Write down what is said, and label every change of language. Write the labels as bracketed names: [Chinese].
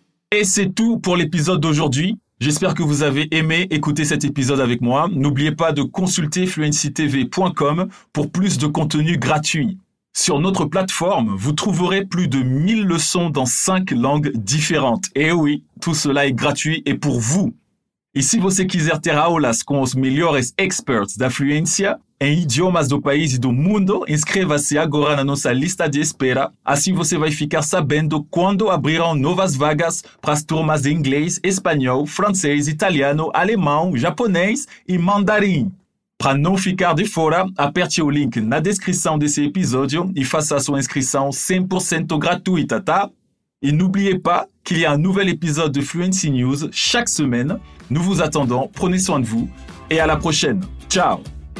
[French] Et c'est tout pour l'épisode d'aujourd'hui. J'espère que vous avez aimé écouter cet épisode avec moi. N'oubliez pas de consulter fluencytv.com pour plus de contenu gratuit. Sur notre plateforme, vous trouverez plus de 1000 leçons dans 5 langues différentes. Et oui, tout cela est gratuit et pour vous. [Portuguese] Y si você quiser ter aulas com os melhores experts da fluência em idiomas do país e do mundo, inscreva-se agora na nossa lista de espera. Assim você vai ficar sabendo quando abrirão novas vagas para as turmas de inglês, espanhol, francês, italiano, alemão, japonês e mandarim. Para não ficar de fora, aperte o link na descrição desse episódio e faça a sua inscrição 100% gratuita, tá? [French] E n'oubliez pas qu'il y a un nouvel épisode de Fluency News chaque semaine. Nous vous attendons, prenez soin de vous et à la prochaine. Ciao!